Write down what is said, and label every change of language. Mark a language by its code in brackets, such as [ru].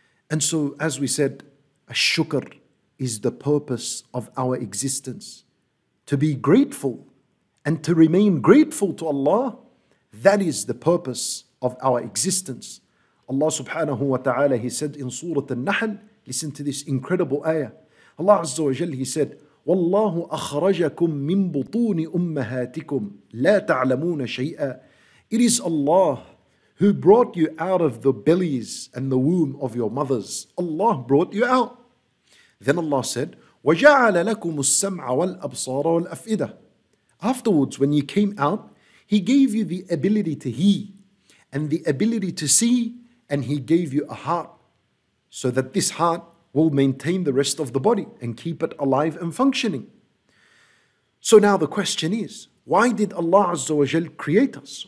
[en] And so, as we said, a shukr is the purpose of our existence. To be grateful and to remain grateful to Allah, that is the purpose of our existence. Allah subhanahu wa ta'ala, he said in Surah An-Nahl, listen to this incredible ayah. [ar] Allah Azza wa Jal, [en] he said, [ar] وَاللَّهُ أَخْرَجَكُمْ مِنْ بُطُونِ أُمَّهَاتِكُمْ لَا تَعْلَمُونَ شَيْئًا. [en] It is Allah who brought you out of the bellies and the womb of your mothers. Allah brought you out. Then Allah said, [ar] وَجَعَلَ لَكُمُ السَّمْعَ وَالْأَبْصَارَ وَالْأَفْئِدَةَ. [en] Afterwards, when you came out, he gave you the ability to hear and the ability to see, and he gave you a heart so that this heart will maintain the rest of the body and keep it alive and functioning. So now the question is, why did Allah Azza wa Jal create us?